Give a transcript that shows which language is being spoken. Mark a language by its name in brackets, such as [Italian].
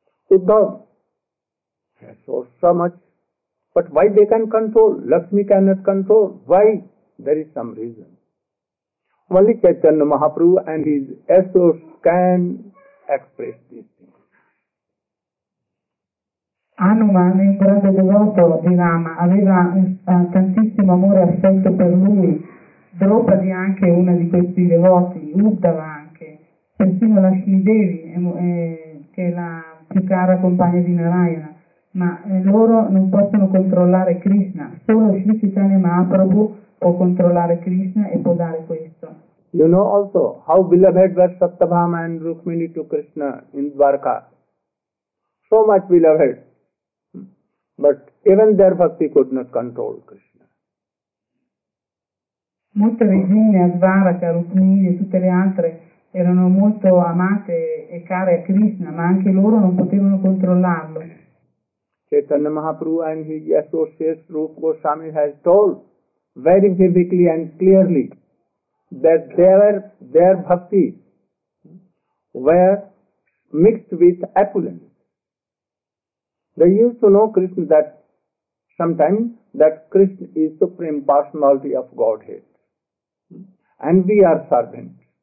[English] Uddhava so much, but why they can control? Lakshmi cannot control. Why? There is some reason. Only Chaitanya Mahaprabhu and his associates can express these things. [Italian] Hanuman, il grande devoto di Rama, aveva tantissimo amore e affetto per lui, Draupadi è anche una di questi devoti, Uddhava anche, persino la Shri Devi, che è la più cara compagna di Narayana, ma loro non possono controllare Krishna, solo Shri Chaitanya Mahaprabhu può controllare Krishna e può dare questo. [English] You know also how beloved were Satyabhama and Rukmini to Krishna in Dwarka. So much beloved. But even their bhakti could not control Krishna. [Italian] Molte regine, Advaraka, Rukmini e tutte le altre erano molto amate e care a Krishna, ma anche loro non potevano controllarlo. [English] Chaitanya Mahaprabhu and his associates Rupa Goswami has told very vividly and clearly that their bhakti were mixed with opulence. They used to know Krishna that sometimes that Krishna is supreme personality of Godhead and we are servants.